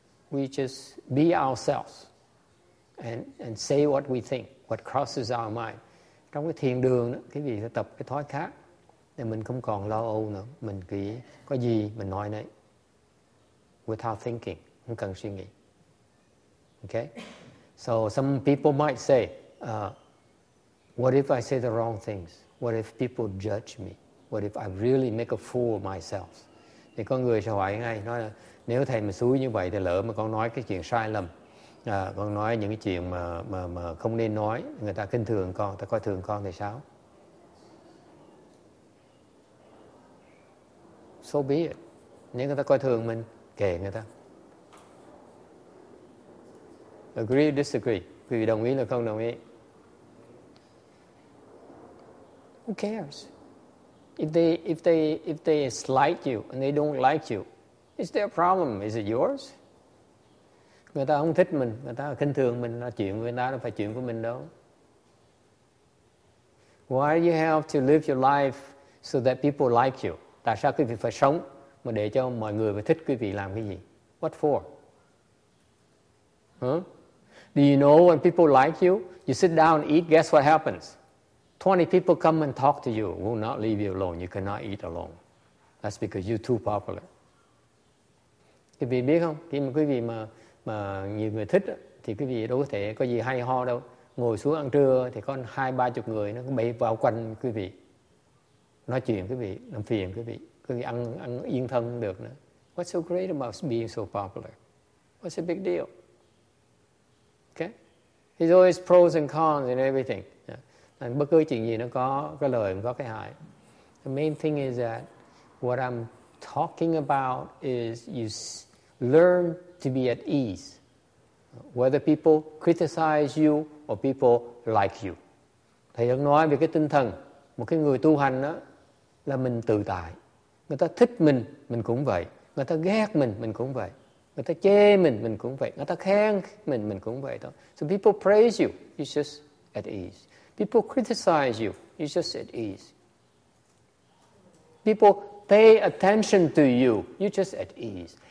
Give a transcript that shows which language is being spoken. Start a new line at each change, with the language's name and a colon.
English: We just be ourselves and say what we think, what crosses our mind.
Vietnamese: Trong cái thiền đường đó, quý vị sẽ tập cái thói khác để mình không còn lo âu nữa, mình cứ có gì mình nói nấy.
English: Without thinking,
Vietnamese: không cần suy nghĩ.
English: Okay? So some people might say, what if I say the wrong things? What if people judge me? What if I really make a fool of myself?
Vietnamese: Thì có người sẽ hỏi ngay, nói là nếu thầy mà xúi như vậy thì lỡ mà con nói cái chuyện sai lầm, con nói những cái chuyện mà không nên nói, người ta khinh thường con, ta coi thường con thì sao?
English: So be it.
Vietnamese: Nếu người ta coi thường mình, kệ người ta.
English: Agree or disagree?
Vietnamese: Quý vị đồng ý là không đồng ý?
English: Who cares? If they slight you and they don't like you, is their problem? Is it yours?
Vietnamese: Người ta không thích mình, người ta khinh thường mình, là chuyện của người ta, nó phải chuyện của mình đâu.
English: Why do you have to live your life so that people like you?
Vietnamese: Tại sao quý vị phải sống mà để cho mọi người phải thích quý vị làm cái gì?
English: What for? Huh? Do you know when people like you? You sit down and eat, guess what happens? 20 people come and talk to you, will not leave you alone. You cannot eat alone. That's because you're too popular.
Vietnamese: Quý vị biết không? Khi mà quý vị mà nhiều người thích thì quý vị đâu có thể có gì hay ho đâu. Ngồi xuống ăn trưa thì có 20-30 người nó bay vào quanh quý vị. Nói chuyện quý vị, làm phiền quý vị. Quý vị ăn yên thân được nữa.
English: What's so great about being so popular? What's the big deal? Okay? There's always pros and cons and everything.
Vietnamese: Bất cứ chuyện gì nó có cái lợi cũng có cái hại.
English: The main thing is that what I'm talking about is you learn to be at ease. Whether people criticize you or people like you.
Vietnamese: Thầy đang nói về cái tinh thần. Một cái người tu hành đó là mình tự tại. Người ta thích mình cũng vậy. Người ta ghét mình cũng vậy. Người ta chê mình cũng vậy. Người ta khen mình cũng vậy thôi.
English: So people praise you, you're just at ease. People criticize you, you're just at ease. People pay attention to you, you're just at ease.